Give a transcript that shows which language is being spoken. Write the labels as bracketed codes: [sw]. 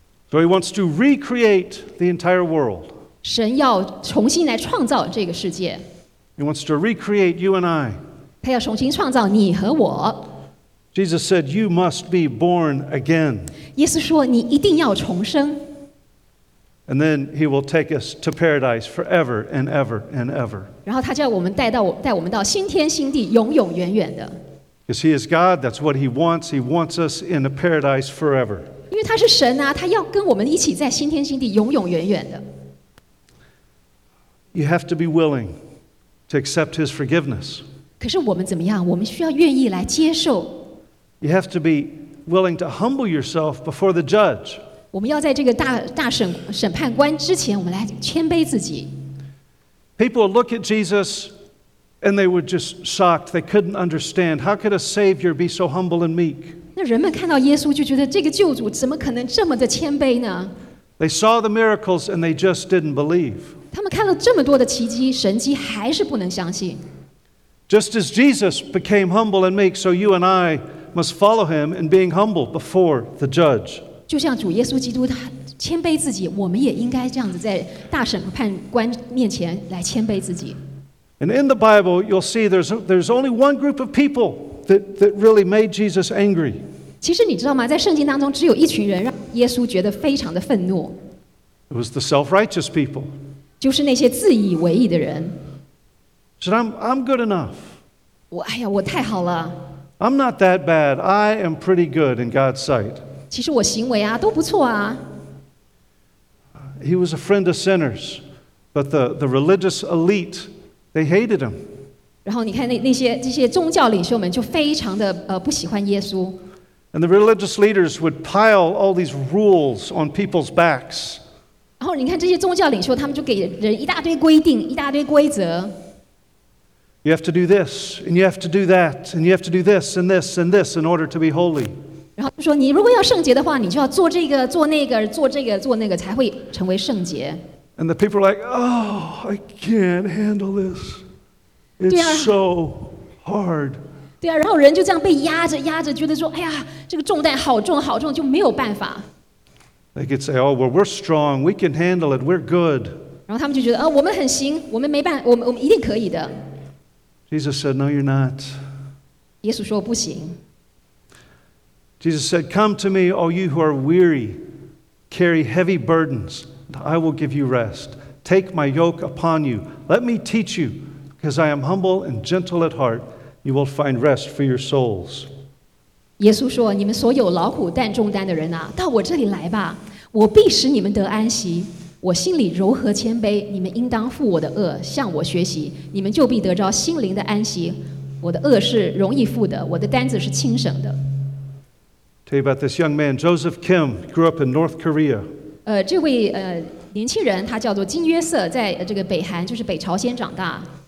[en] So he wants to recreate the entire world. [zh] 神要重新来创造这个世界。 [en] He wants to recreate you and I. [zh] 他要重新创造你和我。 [en] Jesus said, "You must be born again." [zh] 耶稣说，你一定要重生。 [en] And then he will take us to paradise forever and ever and ever. [zh] 然后他叫我们带我们到新天新地，永永远远的。 [en] Because he is God, that's what he wants. He wants us in a paradise forever. [zh] 因为他是神啊，他要跟我们一起在新天新地，永永远远的。 [en] You have to be willing to accept his forgiveness. [zh] 可是我们怎么样？我们需要愿意来接受。 [en] You have to be willing to humble yourself before the judge. [zh] 我们要在这个大审判官之前，我们来谦卑自己。 [en] People look at Jesus, and they were just shocked. They couldn't understand how could a Savior be so humble and meek. [zh] 那人们看到耶稣就觉得这个救主怎么可能这么的谦卑呢 [en] ？They saw the miracles, and they just didn't believe. [zh] 他们看了这么多的奇迹神迹，还是不能相信。 [en] Just as Jesus became humble and meek, so you and I. Must follow him in being humble before the judge. [zh] 就像主耶稣基督他谦卑自己，我们也应该这样子在大审判官面前来谦卑自己。 [en] And in the Bible, you'll see there's only one group of people that really made Jesus angry. [zh] 其实你知道吗？在圣经当中，只有一群人让耶稣觉得非常的愤怒。 [en] It was the self-righteous people. [zh] 就是那些自以为意的人。 [en] Said, "I'm good enough." [zh] 我哎呀，我太好了。 [en] I'm not that bad. I am pretty good in God's sight. [zh] 其实我行为啊都不错啊。 [en] He was a friend of sinners, but the religious elite, they hated him. [zh] 然后你看那些宗教领袖们就非常的不喜欢耶稣。 [en] And the religious leaders would pile all these rules on people's backs. [zh] 然后你看这些宗教领袖他们就给人一大堆规定，一大堆规则。 [en] You have to do this, and you have to do that, and you have to do this, and this, and this, in order to be holy. [zh] 然后就说你如果要圣洁的话，你就要做这个，做那个，做这个，做那个，才会成为圣洁。 [en] And the people are like, "Oh, I can't handle this. It's so hard." [zh] 对啊，然后人就这样被压着，觉得说，哎呀，这个重担好重，好重，就没有办法。 [en] They could say, "Oh, well, we're strong. We can handle it. We're good." [zh] 然后他们就觉得，我们很行，我们没办，我们一定可以的。 [en] Jesus said, "No, you're not." [zh] 耶稣说不行。 [en] Jesus said, "Come to me, all you who are weary, carry heavy burdens, and I will give you rest. Take my yoke upon you. Let me teach you, because I am humble and gentle at heart. You will find rest for your souls." [zh] 耶稣说，你们所有劳苦担重担的人啊，到我这里来吧，我必使你们得安息。我心里柔和谦卑，你们应当负我的轭，向我学习，你们就必得着心灵的安息。我的轭是容易负的，我的担子是轻省的。 [en] Tell you about this young man, Joseph Kim, grew up in North Korea. [zh] 这位年轻人他叫做金约瑟，在这个北韩，就是北朝鲜长大。